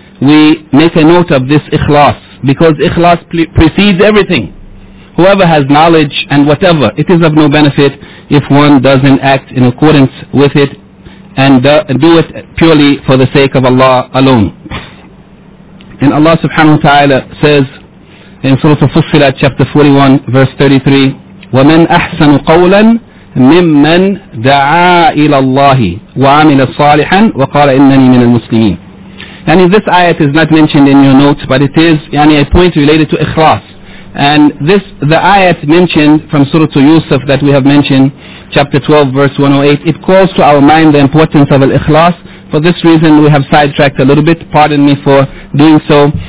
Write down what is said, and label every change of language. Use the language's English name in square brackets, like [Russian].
[English] we make a note of this ikhlas, because ikhlas precedes everything. Whoever has knowledge and whatever, it is of no benefit if one doesn't act in accordance with it and do it purely for the sake of Allah alone. And Allah subhanahu wa ta'ala says in Surah Fussilat, chapter 41, verse 33, [Arabic] وَمَنْ أَحْسَنُ قَوْلًا مِمَّنْ دَعَا إِلَى اللَّهِ وَعَمِلَ صَالِحًا وَقَالَ إِنَّنِي مِنَ الْمُسْلِمِينَ. [English] And this ayat is not mentioned in your notes, but it is a point related to ikhlas. And this, the ayat mentioned from Surah Yusuf that we have mentioned, chapter 12, verse 108, it calls to our mind the importance of al-ikhlas. For this reason, we have sidetracked a little bit. Pardon me for doing so.